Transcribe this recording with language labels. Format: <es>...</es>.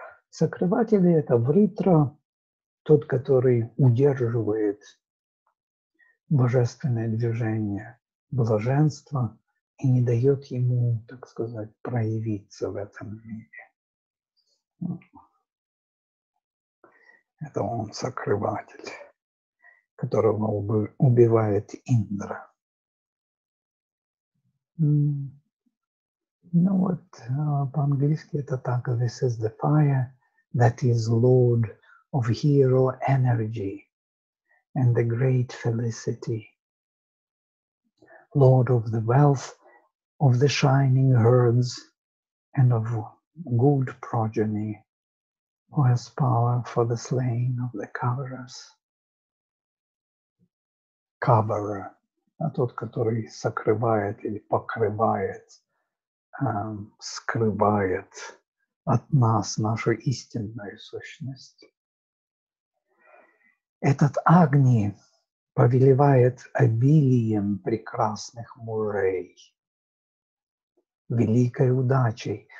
<ru>Сокрыватели — это вритра, тот, который удерживает божественное движение блаженства и не дает ему, так сказать, проявиться в этом мире. Это он, сокрыватель, которого убивает Индра. Ну вот, по-английски это так.</ru> <en>This is the fire that is lord of hero energy and the great felicity. Lord of the wealth, of the shining herds and of good progeny. Who has power for the slaying of the coverers?</en> <ru>Coverer, а тот, который сокрывает или покрывает, скрывает от нас нашу истинную сущность. Этот Агни повелевает обилием прекрасных мужей, великой удачей.</ru>